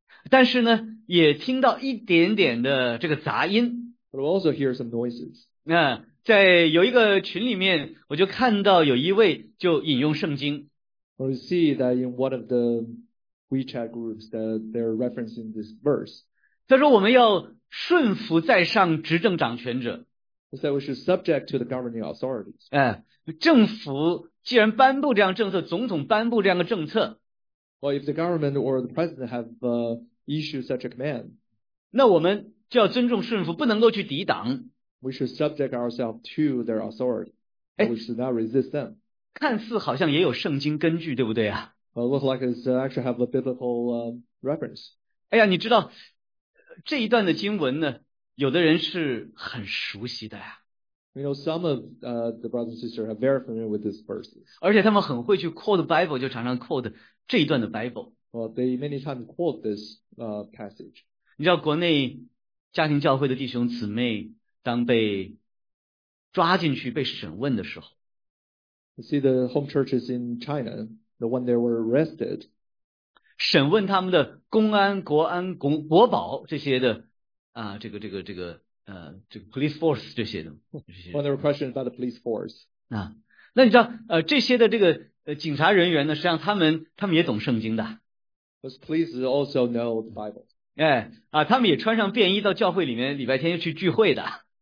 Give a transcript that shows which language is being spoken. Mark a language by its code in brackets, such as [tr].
[zh] 但是呢，也听到一点点的这个杂音。 [en] But we also hear some noises. [zh] 那在有一个群里面，我就看到有一位就引用圣经。 [en] We see that in one of the WeChat groups that they're referencing this verse. [zh] 他说我们要顺服在上执政掌权者。 [en] He said we should subject to the governing authorities. [zh] 政府既然颁布这样政策，总统颁布这样的政策。 [en] Well, if the government or the president have issued such a command, [zh] 那我们就要尊重顺服，不能够去抵挡。 [en] We should subject ourselves to their authority. We should not resist them. [zh] 看似好像也有圣经根据，对不对啊？ [en] Well, it looks like it actually have a biblical reference. [zh] 哎呀，你知道这一段的经文呢，有的人是很熟悉的呀。 [en] You know, some of the brothers and sisters are very familiar with these verses. [zh] 而且他们很会去 [en] quote Bible, [zh] 就常常 [en] quote [zh] 这一段的 Bible. [en] Well, they many times quote this passage. [zh] 你知道国内家庭教会的弟兄姊妹当被抓进去被审问的时候。 [en] You see the home churches in China, the one they were arrested. [zh] 审问他们的公安、国安、国保这些的啊，这个 [en] police force [zh] 这些的。 [en] When there were questions about the police force. [zh] 啊，那你知道这些的这个警察人员呢，实际上他们也懂圣经的。 [en] Those police also know the Bible. [zh] 哎，啊，他们也穿上便衣到教会里面礼拜天去聚会的。